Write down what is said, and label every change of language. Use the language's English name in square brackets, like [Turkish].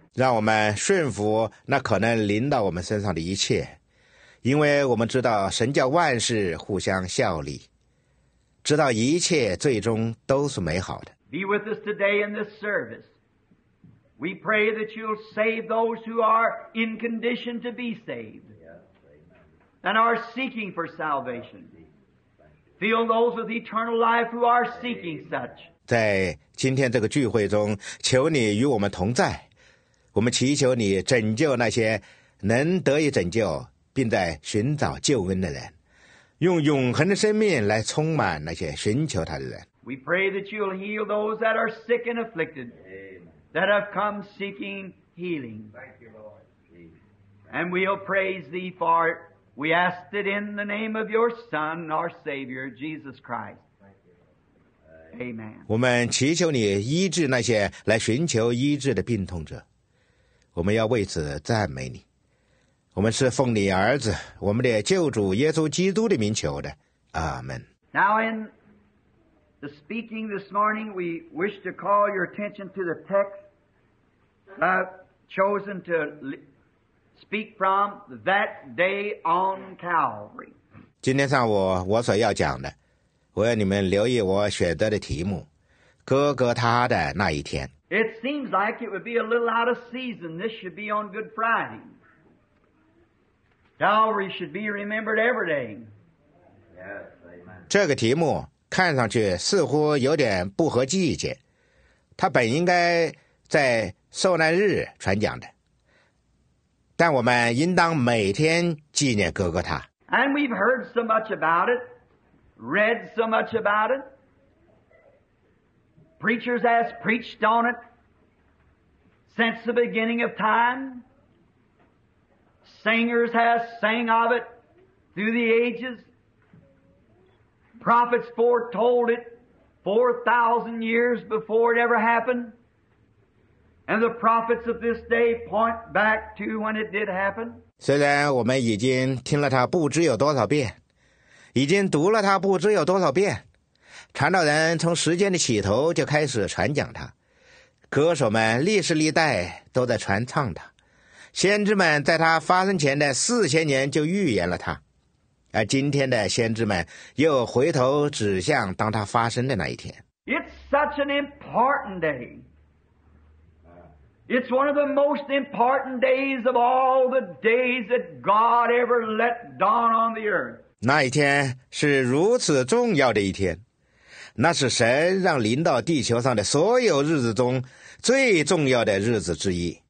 [Chinese] 让我们顺服那可能临到我们身上的一切，因为我们知道神叫万事互相效力，知道一切最终都是美好的。 [English] Be with us today in this service. We pray that you'll save those who are in condition to be saved and are seeking for salvation. Fill those with eternal life who are seeking such. [Chinese] 在今天这个聚会中，求你与我们同在。我们祈求你拯救那些能得以拯救并在寻找救恩的人，用永恒的生命来充满那些寻求他的人。 [English] We pray that you'll heal those that are sick and afflicted, that have come seeking healing. Thank you, Lord. And we'll praise thee for it. We ask it in the name of your Son, our Savior, Jesus Christ. Amen. [Chinese] 我们祈求你医治那些来寻求医治的病痛者，我们要为此赞美你。我们是奉你儿子，我们的救主耶稣基督的名求的，阿门。 [English] Now in the speaking this morning, we wish to call your attention to the text I've chosen to speak from that day on Calvary. [Chinese] 今天上午我所要讲的，我要你们留意我选择的题目，哥哥他的那一天。 [English] It seems like it would be a little out of season. This should be on Good Friday. Calvary should be remembered every day. Yes, amen. [Chinese] 这个题目看上去似乎有点不合季节，它本应该在受难日传讲的，但我们应当每天纪念哥哥他。 [English] And we've heard so much about it, read so much about it, preachers has preached on it since the beginning of time. Singers have sang of it through the ages. Prophets foretold it 4,000 years before it ever happened. And the prophets of this day point back to when it did happen. [Chinese] 虽然我们已经听了它不知有多少遍，已经读了它不知有多少遍，传道人从时间的起头就开始传讲它，歌手们历世历代都在传唱它。先知们在他发生前的4000年就预言了他，而今天的先知们又回头指向当他发生的那一天。 [English] It's such an important day. It's one of the most important days of all the days that God ever let dawn on the earth. [Chinese] 那一天是如此重要的一天，那是神让临到地球上的所有日子中最重要的日子之一。